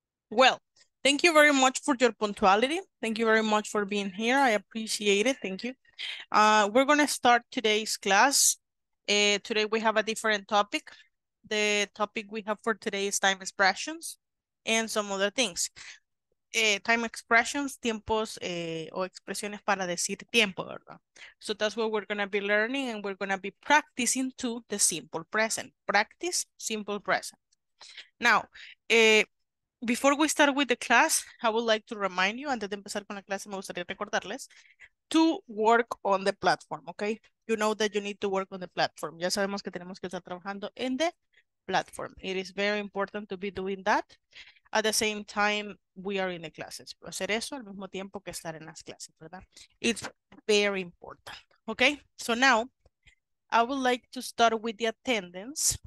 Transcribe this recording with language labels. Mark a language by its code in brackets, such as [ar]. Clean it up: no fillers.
[en] Well, thank you very much for your punctuality. Thank you very much for being here. I appreciate it. Thank you. We're going to start today's class. Today we have a different topic. The topic we have for today is time expressions and some other things. Time expressions, [es] tiempos o expresiones para decir tiempo, ¿verdad? [en] So that's what we're going to be learning, and we're going to be practicing to the simple present. Practice simple present. Now, before we start with the class, I would like to remind you, [es] antes de empezar con la clase, me gustaría recordarles [en] to work on the platform, okay? You know that you need to work on the platform. [es] Ya sabemos que tenemos que estar trabajando en [en] the platform. It is very important to be doing that at the same time we are in the classes. [es] Hacer eso al mismo tiempo que estar en las clases, ¿verdad? [en] It's very important, okay? So now, I would like to start with the attendance.